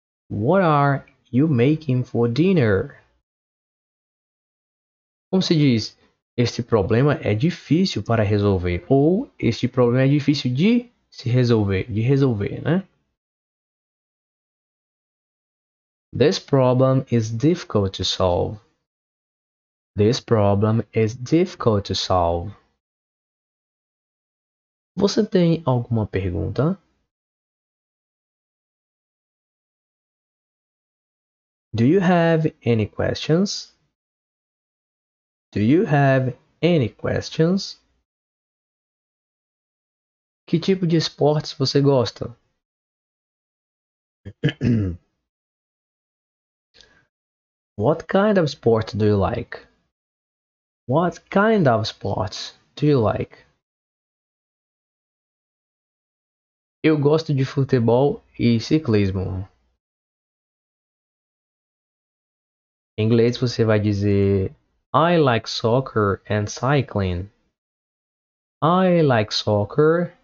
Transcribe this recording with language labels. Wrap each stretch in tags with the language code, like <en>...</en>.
<en>What are you making for dinner?</en> <pt>Como se diz? Este problema é difícil para resolver. Ou este problema é difícil de se resolver. De resolver, né?</pt> <en>This problem is difficult to solve. This problem is difficult to solve.</en> <pt>Você tem alguma pergunta?</pt> <en>Do you have any questions? Do you have any questions?</en> <pt>Que tipo de esportes você gosta?</pt> <en>What kind of sport do you like? What kind of sports do you like?</en> <pt>Eu gosto de futebol e ciclismo. Em inglês você vai dizer</pt> <en>I like soccer and cycling. I like soccer</en>